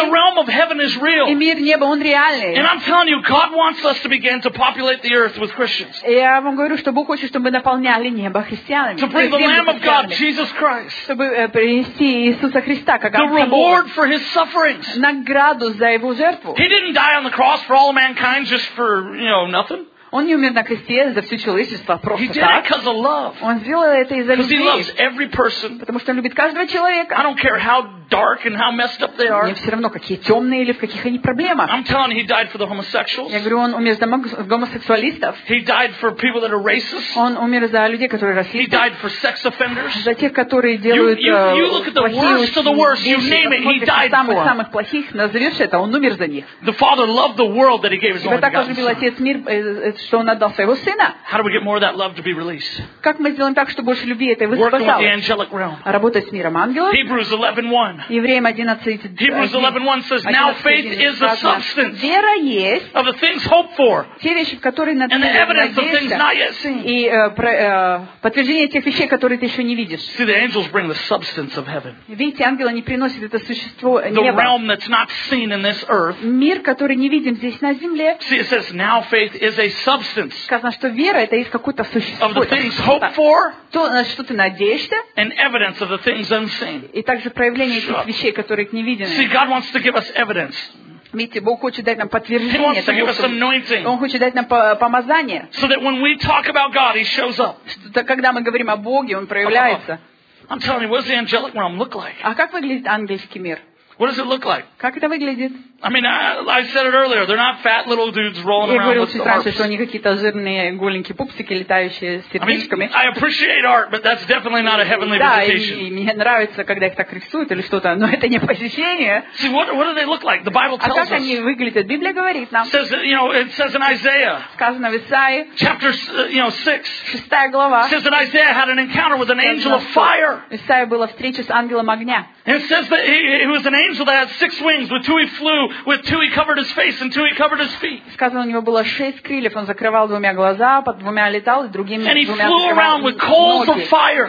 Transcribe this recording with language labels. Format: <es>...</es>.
<en>And the realm of heaven is real.</en> <ru>И мир неба он реальный.</ru> <en>And I'm telling you, God wants us to begin to populate the earth with Christians.</en> <ru>Я вам говорю, что Бог хочет, чтобы мы наполняли небо христианами.</ru> <en>To bring the Lamb of God, Jesus Christ.</en> <ru>Чтобы принести Иисуса Христа.</ru> <en>The reward for his sufferings.</en> <ru>Награду за его жертву.</ru> <en>He didn't die on the cross for all mankind just for, you know, nothing.</en> <ru>Он не умер на кресте за все человечество просто</ru> <en>he</en> <ru>так.</ru> <en>Did it 'cause of love.</en> <ru>Он сделал это из-за любви.</ru> <en>He loves every person.</en> <ru>Потому что он любит каждого человека.</ru> <en>I don't care how dark and how messed up they are.</en> <ru>Мне все равно, какие темные или в каких они проблемах.</ru> <en>I'm telling you, he died for the homosexuals.</en> <ru>Я говорю, он умер за гомосексуалистов.</ru> <en>He died for people that are racist.</en> <ru>Он умер за людей, которые расисты.</ru> <en>He died for sex offenders.</en> <ru>За тех, которые делают</ru> <en>you look at the worst of the worst. You name it, he died for.</en> <ru>Самых самых плохих назовешь это, он умер за них.</ru> <en>The Father loved the world that he gave his only begotten.</en> <ru>Ибо так возлюбил Отец мир, что он отдал своего сына.</ru> <en>How do we get more of that love to be released?</en> <ru>Как мы сделаем так, чтобы больше любви этой высвобождалось? Работать с миром ангелов.</ru> <en>Hebrews 11:1.</en> <ru>Евреям 11:1.</ru> <en>Hebrews 11:1 says, now faith is the substance of the things hoped for.</en> <ru>Те вещи, которые надеешься.</ru> <en>And the evidence of things not yet seen.</en> <ru>И подтверждение тех вещей, которые ты еще не видишь.</ru> <en>See, the angels bring the substance of heaven.</en> <ru>Видите, ангелы не приносят это существо неба.</ru> <en>The realm that's not seen in this earth.</en> <ru>Мир, который не видим здесь на земле.</ru> <en>See, it says, now faith is a substance.</en> <ru>Сказано, что вера это есть какое-то существо.</ru> <en>Of the things hoped for.</en> <ru>То, на что ты надеешься.</ru> <en>And evidence of the things unseen.</en> <ru>И также проявление этих вещей, которые не видим.</ru> <en>See, God wants to give us evidence.</en> <ru>Видите, Бог хочет дать нам подтверждение. Он хочет дать нам помазание.</ru> <en>So that when we talk about God, he shows up.</en> <ru>Когда мы говорим о Боге, он проявляется.</ru> <en>I'm telling you, what does the angelic realm look like?</en> <ru>А как выглядит ангельский мир?</ru> <en>What does it look like?</en> <ru>Как это выглядит?</ru> <en>I mean, I said it earlier. They're not fat little dudes rolling around with harps.</en> <ru>Я говорил, что они какие-то жирные голенькие пупсики, летающие с сердечками.</ru> <en>I appreciate art, but that's definitely not a heavenly visitation.</en> <ru>Да, и мне нравится, когда их так рисуют или что-то, но это не посещение.</ru> <en>See, what do they look like? The Bible tells us.</en> <ru>А как они выглядят? Библия говорит нам.</ru> <en>Says, you know, it says in Isaiah.</en> <ru>Сказано в Исаии.</ru> <en>Chapter, you know, 6.</en> <ru>Шестая глава.</ru> <en>Says that Isaiah had an encounter with an angel of fire.</en> <ru>Исаия была встреча с ангелом огня.</ru> <en>It says that he was an angel that had six wings. With two he flew, with two he covered his face, and two he covered his feet.</en> <ru>Сказано, у него было шесть крыльев, он закрывал двумя глаза, под двумя летал, и другими двумя.</ru> <en>And he flew around with coals of fire.</en>